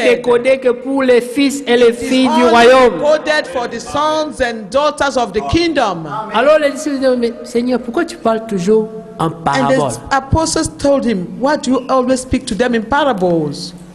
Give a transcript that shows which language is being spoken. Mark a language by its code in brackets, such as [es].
[fr] N'est codé que pour les fils et les filles du royaume. [en] Coded for the sons and daughters of the kingdom. [fr] Alors les disciples disent, mais Seigneur, pourquoi tu parles toujours en parabole? [en] And the apostles told him, why do you always speak to them in parables?